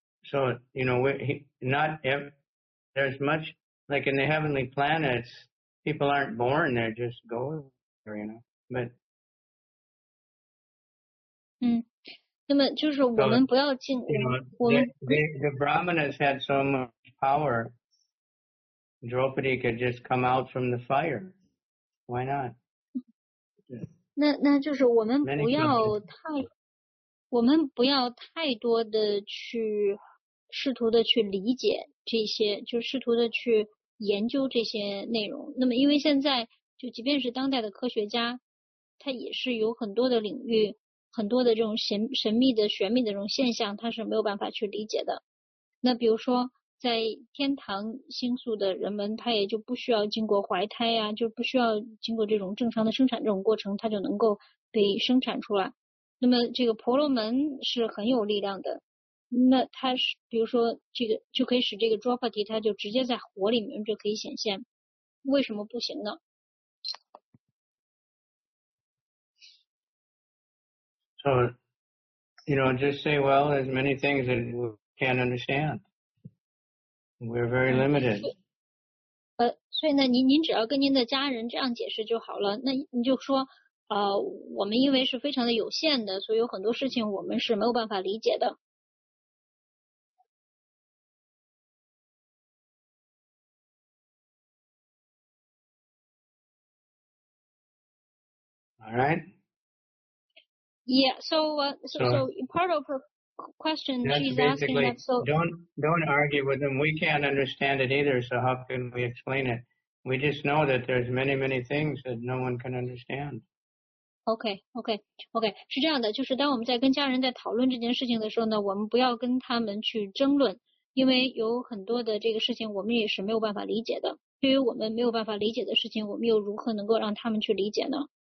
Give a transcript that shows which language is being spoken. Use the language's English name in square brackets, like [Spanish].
[English] So, you know, there's much, like in the heavenly planets, people aren't born, they're just going there, you know. But, [Chinese] 那么就是我们不要进 [English] The Brahmanas had so much power, Draupadi could just come out from the fire. Why not? [Chinese] 那就是我们不要太 我们不要太多的去试图的去理解这些，就试图的去研究这些内容。那么因为现在就即便是当代的科学家，他也是有很多的领域，很多的这种神秘的玄秘的这种现象，他是没有办法去理解的。那比如说在天堂星宿的人们，他也就不需要经过怀胎啊，就不需要经过这种正常的生产这种过程，他就能够被生产出来。那么这个婆罗门是很有力量的，那他是比如说这个就可以使这个 Draupadi 他就直接在火里面就可以显现，为什么不行呢？ [English] So, you know, just say, well, there's many things that we can't understand. We're very limited. [Chinese] 所以呢，您只要跟您的家人这样解释就好了。那你就说，我们因为是非常的有限的，所以有很多事情我们是没有办法理解的。 [English] All right. Yeah, so part of her question, she's asking that, so... Don't argue with them. We can't understand it either, so how can we explain it? We just know that there's many, many things that no one can understand. Okay. [Chinese] 是这样的，就是当我们在跟家人在讨论这件事情的时候呢，我们不要跟他们去争论，因为有很多的这个事情我们也是没有办法理解的。对于我们没有办法理解的事情，我们又如何能够让他们去理解呢？